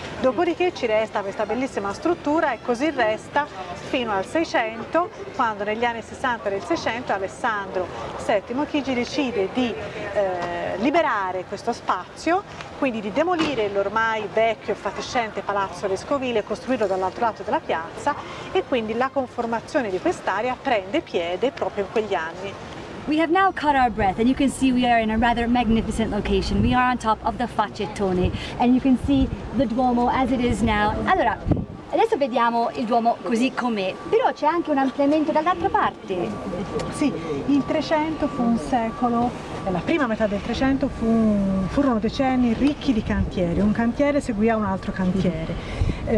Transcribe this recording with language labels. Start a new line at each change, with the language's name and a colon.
Italian: Dopodiché ci resta questa bellissima struttura, e così resta fino al 600, quando negli anni 60 del 600 Alessandro VII Chigi decide di liberare questo spazio, quindi di demolire l'ormai vecchio e fatiscente palazzo Vescovile, costruito dall'altro lato della piazza, e quindi la conformazione di quest'area prende piede proprio in quegli anni.
English: We have now caught our breath, and you can see we are in a rather magnificent location. We are on top of the Facettone, and you can see the Duomo as it is now.
Italian: Allora, adesso vediamo il Duomo così com'è, però c'è anche un ampliamento dall'altra parte. Sì, il 300 fu un secolo, la prima metà del 300 furono decenni ricchi di cantieri, un cantiere seguì un altro cantiere.